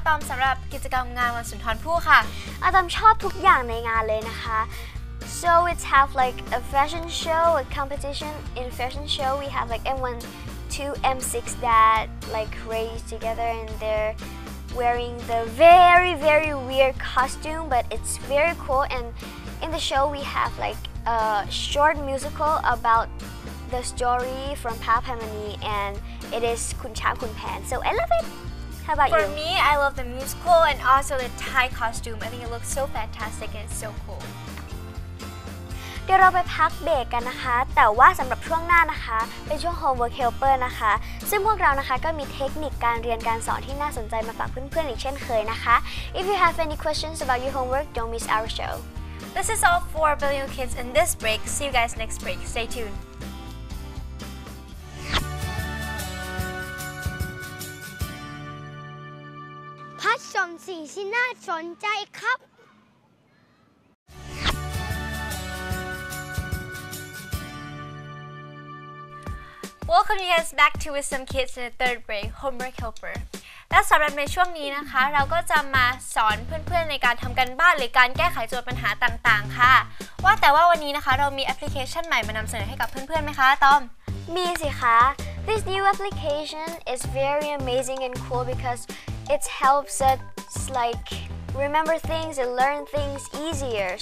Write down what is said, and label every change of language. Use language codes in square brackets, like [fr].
[th] สำหรับกิจกรรมงานวันสุนทรภู่ค่ะ อาตอมชอบทุกอย่างในงานเลยนะคะ [en] So we have like a fashion show, a competition. In fashion show we have like M1 to M6 that like race together and they're wearing the very very weird costume but it's very cool and in the show we have like a short musical about the story from พระอภัยมณีand it is คุณช้างคุณแผน So I love itHow about you? For me, I love the musical and also the Thai costume. I think it looks so fantastic and it's so cool. [th] เดี๋ยวเราไปพักเบรกกันนะคะแต่ว่าสำหรับช่วงหน้านะคะเป็นช่วง Homework Helper นะคะซึ่งพวกเรานะคะก็มีเทคนิคการเรียนการสอนที่น่าสนใจมาฝากเพื่อนๆอีกเช่นเคยนะคะ [en] If you have any questions about your homework, don't miss our show. This is all for Billion Kids in this break. See you guys next break. Stay tuned. [th] พัดชมสิ่งที่น่าสนใจครับ [en] Welcome you guys back to Wisdom Kids in the third break Homework Helper [th] และสำหรับในช่วงนี้นะคะเราก็จะมาสอนเพื่อนๆในการทำการบ้านหรือการแก้ไขโจทย์ปัญหาต่างๆค่ะว่าแต่ว่าวันนี้นะคะเรามีแอปพลิเคชันใหม่มานำเสนอให้กับเพื่อนๆไหมคะตอม มีสิคะ [en] This new application is very amazing and cool becauseIt helps us like remember things and learn things easier.